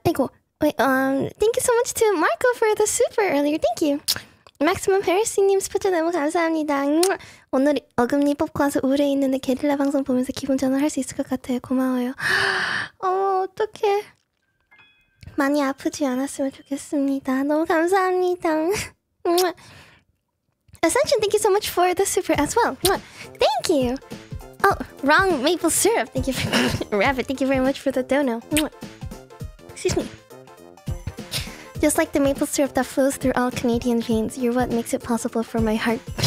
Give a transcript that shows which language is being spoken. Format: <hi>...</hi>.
<en>Thank you so much to Marco for the super earlier. Thank you.</en> <ko>Maximum Heresy님 스포츠 너무 감사합니다. 오늘 어금니 뽑고 와서 우울해 있는데 게릴라 방송 보면서 기분 전환할 수 있을 것 같아요. 고마워요. 어머, 어떡해. 많이 아프지 않았으면 좋겠습니다. 너무 감사합니다.</ko> <en>Ascension, thank you so much for the super as well. Thank you. Oh, wrong maple syrup. Thank you for Rabbit, thank you very much for the dono. Excuse me. Just like the maple syrup that flows through all Canadian veins, you're what makes it possible for my heart.</en>